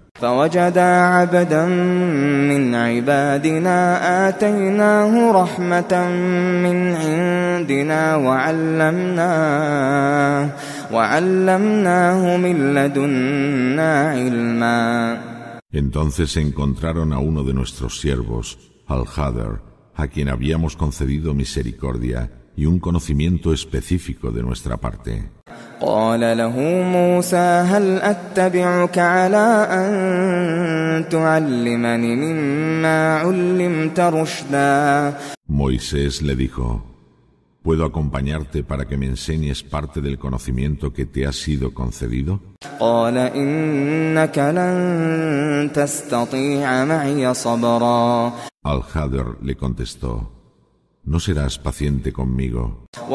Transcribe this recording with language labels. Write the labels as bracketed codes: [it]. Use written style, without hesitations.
[es] Entonces encontraron a uno de nuestros siervos, Al-Hadr, a quien habíamos concedido misericordia y un conocimiento específico de nuestra parte. [ar] قال له موسى: هل أتبعك على أن تعلمني مما علمت رشدا. [es] Moisés le dijo: ¿puedo acompañarte para que me enseñes parte del conocimiento que te ha sido concedido? [ar] قال إنك لن تستطيع معي صبرا. [es] Al-Hadr le contestó: no serás paciente conmigo.